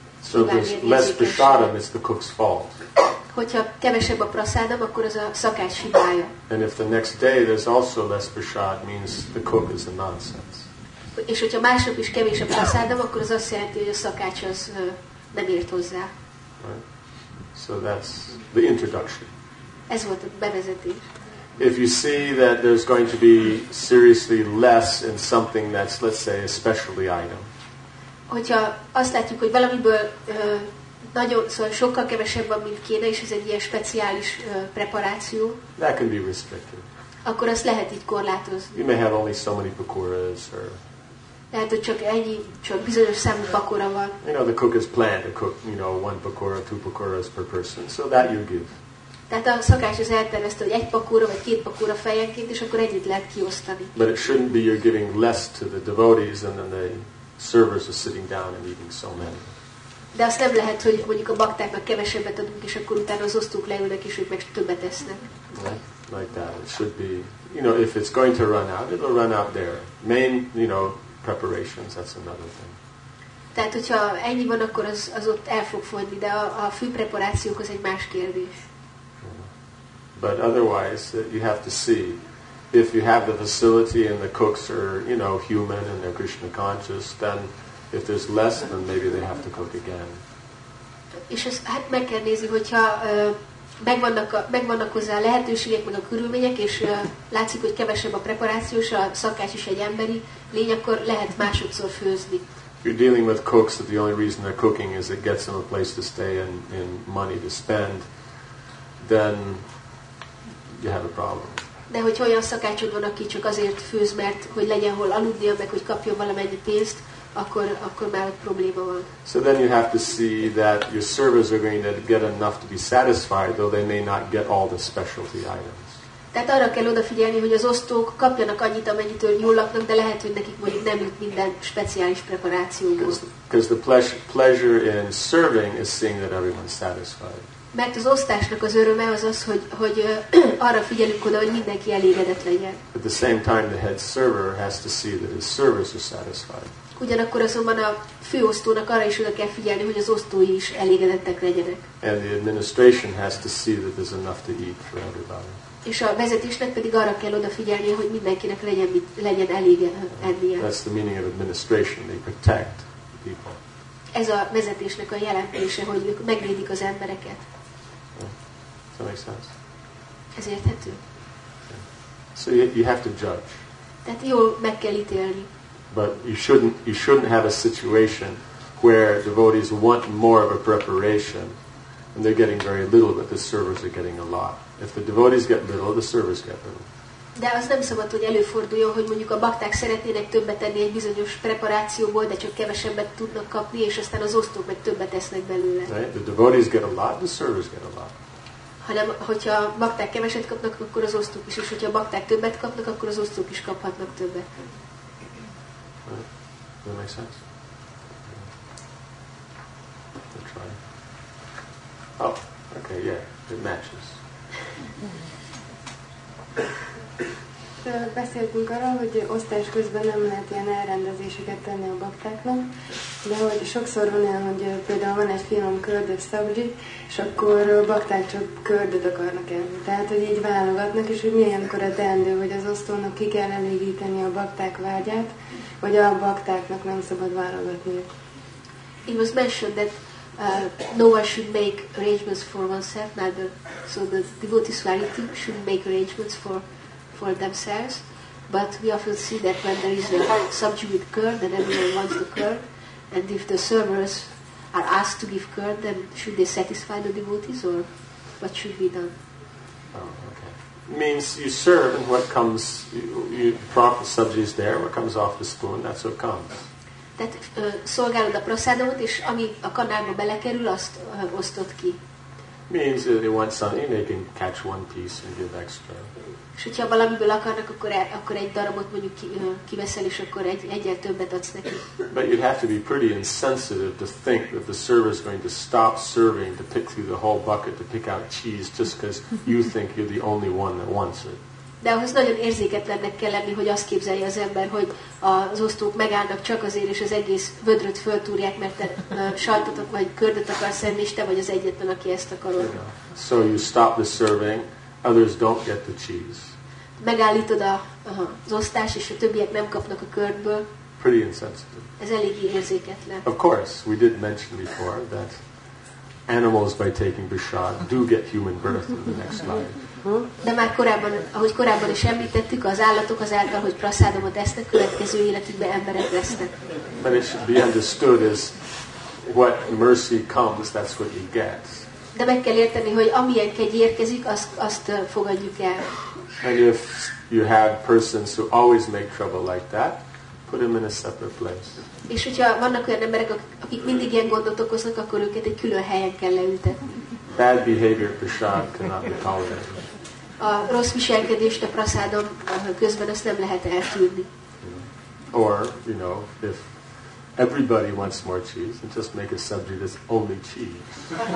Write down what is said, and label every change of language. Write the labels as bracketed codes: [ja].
[en] So there's less prasadam, it's the cook's fault. [hu] Hogyha kevesebb a prasadam, akkor az a szakács hibája. [en] And if the next day there's also less prasad, means the cook is a nonsense. [hu] És hogyha másnap is kevés a prasadam, akkor az azt jelenti, hogy a szakács az nem ért hozzá. [en] Right. So that's the introduction. [hu] Ez volt a bevezetés. [en] If you see that there's going to be seriously less in something that's, let's say, a specialty item. [hu] Hogyha azt látjuk, hogy valamiből nagyon, szóval sokkal kevesebb van, mint kéne, és ez egy ilyen speciális preparáció. [en] That can be restricted. [hu] Akkor azt lehet így korlátozni. [en] You may have only so many pakoras, or... [hu] Lehet, hogy csak bizonyos számú pakora van. [en] You know, the cook is planned to cook, you know, one pakora, two pakoras per person, so that you give. [hu] Tehát a szakács az eltervezte, hogy egy pakora vagy két pakora fejenként, és akkor együtt lehet kiosztani. [en] But it shouldn't be you're giving less to the devotees and then they... Servers are sitting down and eating so many. [hu] De azt nem lehet, hogy mondjuk a baktáknak kevesebbet adunk, és akkor utána az osztók leülnek, és ők meg többet esznek. [en] Like that. It should be, you know, if it's going to run out, it'll run out there. Main, you know, preparations, that's another thing. [hu] Tehát, hogyha ennyi van, akkor az ott el fog fogyni, de a fő preparációk az egy más kérdés. [en] But otherwise, you have to see. If you have the facility and the cooks are, you know, human and they're Krishna conscious, then if there's less, then maybe they have to cook again. [hu] És ez, hát meg kell nézni, hogyha megvannak hozzá a lehetőségek, meg a körülmények, és látszik, hogy kevesebb a preparáció, és a szakács is egy emberi lény, akkor lehet másodszor főzni. [en] If you're dealing with cooks, that the only reason they're cooking is it gets them a place to stay and money to spend, then you have a problem. [hu] De hogy olyan szakácsod van, aki csak azért főz, mert hogy legyen hol aludnia, meg hogy kapjon valamennyi pénzt, akkor már ott probléma van. [en] So then you have to see that your servers are going to get enough to be satisfied, though they may not get all the specialty items. [hu] Tehát arra kell odafigyelni, hogy az osztók kapjanak annyit, amennyitől jól laknak, de lehet, hogy nekik mondjuk nem jut minden speciális preparációhoz. [en] Because the pleasure in serving is seeing that everyone's satisfied. [hu] Mert az osztásnak az öröme az az, hogy arra figyelünk oda, hogy mindenki elégedett legyen. [en] At the same time, the head server has to see that his servers are satisfied. [hu] Ugyanakkor azonban a főosztónak arra is oda kell figyelni, hogy az osztói is elégedettek legyenek. [en] And the administration has to see that there's enough to eat for everybody. [hu] És a vezetésnek pedig arra kell odafigyelni, hogy mindenkinek legyen, legyen elég ennie. [en] That's the meaning of administration. They protect people. [hu] Ez a vezetésnek a jelentése, hogy ők megvédik az embereket. [en] Does that make sense? [hu] Ez érthető. [en] So you have to judge. [hu] Tehát jól meg kell ítélni. [en] But you shouldn't have a situation where devotees want more of a preparation and they're getting very little, but the servers are getting a lot. If the devotees get little, the servers get little. [hu] De az nem szabad, hogy előforduljon, hogy mondjuk a bakták szeretnének többet tenni egy bizonyos preparációból, de csak kevesebbet tudnak kapni, és aztán az osztók meg többet esznek belőle. [en] Right? The devotees get a lot, the servers get a lot. [hu] Hanem, hogyha a bakták keveset kapnak, akkor az osztók is, és hogyha a bakták többet kapnak, akkor az osztók is kaphatnak többet. [en] Right. Does that make sense? Try. Oh, okay, yeah, it matches. [hu] Beszéltünk arról, hogy osztás közben nem lehet ilyen elrendezéseket tenni a baktáknak, de hogy sokszor van olyan, hogy például van egy finom köldös szabzsi, és akkor bakták csak köldöt akarnak enni. Tehát, hogy így válogatnak, és hogy milyenkor a teendő, hogy az osztónak ki kell elégíteni a bakták vágyát, vagy a baktáknak nem szabad válogatni. [en] It was mentioned that no one should make arrangements for oneself, neither. So the devotees variety should make arrangements for themselves, but we often see that when there is a subject with curd, then everyone wants the curd, and if the servers are asked to give curd, then should they satisfy the devotees, or what should be done? Oh, okay. Means you serve, and what comes, the subject is there, what comes off the spoon, that's what comes. [hu] Tehát szolgálod a prasadamot, és ami a kanálba belekerül, azt osztod ki. [en] Means if they want something, they can catch one piece and give extra. [hu] És hogyha valamiből akarnak, akkor egy darabot mondjuk kiveszel, és akkor egyel többet adsz neki. [en] But you'd have to be pretty insensitive to think that the server is going to stop serving to pick through the whole bucket to pick out cheese just because you think you're the only one that wants it. [hu] De ahhoz nagyon érzéketlennek kell lenni, hogy azt képzelje az ember, hogy az osztók megállnak csak azért, és az egész vödröt föltúrják, mert te sajtot vagy kördöt akarsz enni, és te vagy az egyetlen, aki ezt akarod. [en] So you stop the serving, others don't get the cheese. [hu] Megállítod az osztást, és a többiek nem kapnak a kördből. [en] Pretty insensitive. [hu] Ez eléggé érzéketlen. [en] Of course, we did mention before that animals by taking prasad do get human birth in the next life. [hu] De már korábban, ahogy korábban is említettük, az állatok azáltal, hogy prasadamot esznek, következő életükben emberek lesznek. [en] But it should be understood as what mercy comes, that's what you get. [hu] De meg kell érteni, hogy amilyen kegy érkezik, azt fogadjuk el. [en] And if you have persons who always make trouble like that, put them in a separate place. [hu] És hogyha vannak olyan emberek, akik mindig ilyen gondot okoznak, akkor őket egy külön helyen kell leültetni. [en] Bad behavior prasad cannot be tolerated. [hu] A rossz viselkedést a prasadom közben azt nem lehet eltűrni. [en] Or, you know, if everybody wants more cheese, and just make a subject that's only cheese.